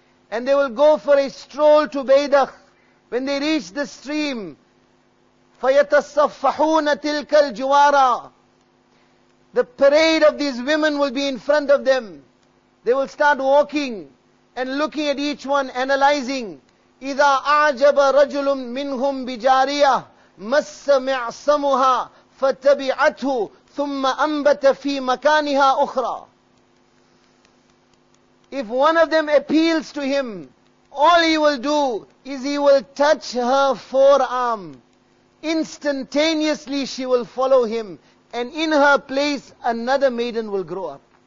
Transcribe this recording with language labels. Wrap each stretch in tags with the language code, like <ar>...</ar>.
<en>And they will go for a stroll to Baydakh. When they reach the stream,</en> <ar>فَيَتَصَّفَّحُونَ تِلْكَ الْجُوَارَى.</ar> <en>The parade of these women will be in front of them. They will start walking and looking at each one, analyzing.</en> <ar>إِذَا أَعْجَبَ رَجُلٌ مِّنْهُمْ بِجَارِيَةٍ مَسَّ مِعْصَمُهَا فَتَبِعَتْهُ ثُمَّ أَنْبَتَ فِي مَكَانِهَا أُخْرَى.</ar> <en>If one of them appeals to him, all he will do is he will touch her forearm. Instantaneously she will follow him, and in her place another maiden will grow up.</en>